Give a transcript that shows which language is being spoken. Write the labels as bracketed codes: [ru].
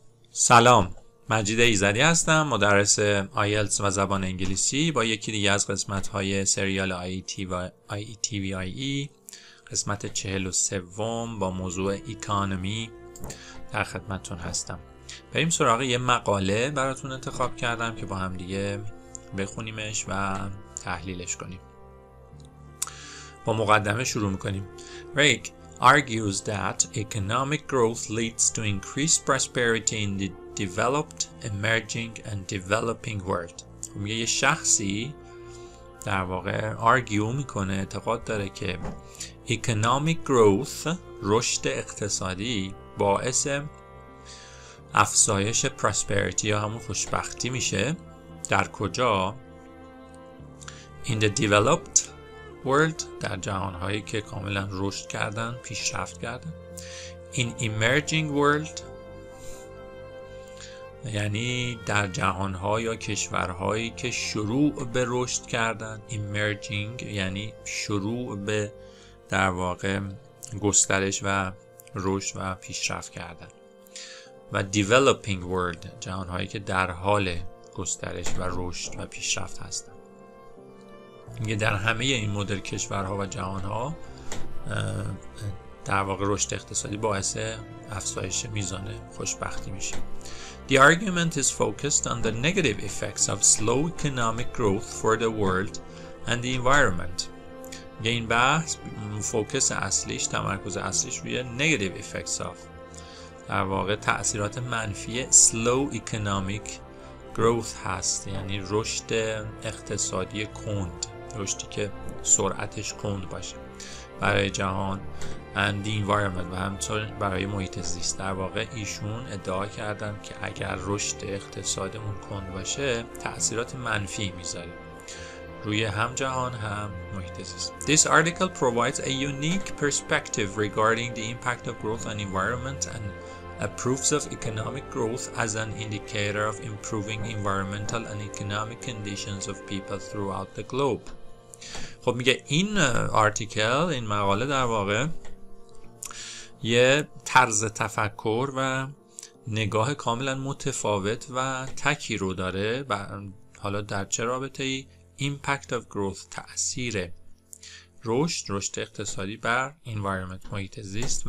[fa] سلام، مجید ایزدی هستم، مدرس آیلتس و زبان انگلیسی با یکی دیگه از قسمت‌های سریال IETVIE قسمت 43 با موضوع اکانومی در خدمتتون هستم. بریم سراغ یه مقاله براتون انتخاب کردم که با هم دیگه بخونیمش و تحلیلش کنیم. با مقدمه شروع می‌کنیم. [en] Rick argues that economic growth leads to increased prosperity in the developed, emerging and developing world. [fa] یه شخصی در واقع argue میکنه، اعتقاد داره که economic growth، رشد اقتصادی، باعث افزایش prosperity یا همون خوشبختی میشه. در کجا؟ [en] in the developed world، [fa] در جهان هایی که کاملا رشد کردن، پیشرفت کردن. این emerging world یعنی در جهان ها یا کشورهایی که شروع به رشد کردن. emerging یعنی شروع به در واقع گسترش و رشد و پیشرفت کردن. و developing world، جهان هایی که در حال گسترش و رشد و پیشرفت هستن. یه در همه این مدل کشورها و جهانها در واقع رشد اقتصادی باعث افزایش میزان خوشبختی میشه. [en] The argument is focused on the negative effects of slow economic growth for the world and the environment. [fa] یه این بحث فوکس اصلیش، تمرکز اصلیش روی [en] negative effects of، [fa] در واقع تأثیرات منفی [en] slow economic growth [fa] هست، یعنی رشد اقتصادی کند، رشدی که سرعتش کند باشه، برای جهان [en] and the environment [fa] و همطور برای محیط زیست. در واقع ایشون ادعا کردن که اگر رشد اقتصادمون کند باشه، تأثیرات منفی میذاره روی هم جهان هم محیط زیست. [en] This article provides a unique perspective regarding the impact of growth on environment and approves of economic growth as an indicator of improving environmental and economic conditions of people throughout the globe. [fa] خب میگه این آرتیکل، این مقاله در واقع یه طرز تفکر و نگاه کاملا متفاوت و تکی رو داره. و حالا در چه رابطه ای؟ [en] impact of growth، [fa] تأثیر رشد اقتصادی بر environment، محیط زیست.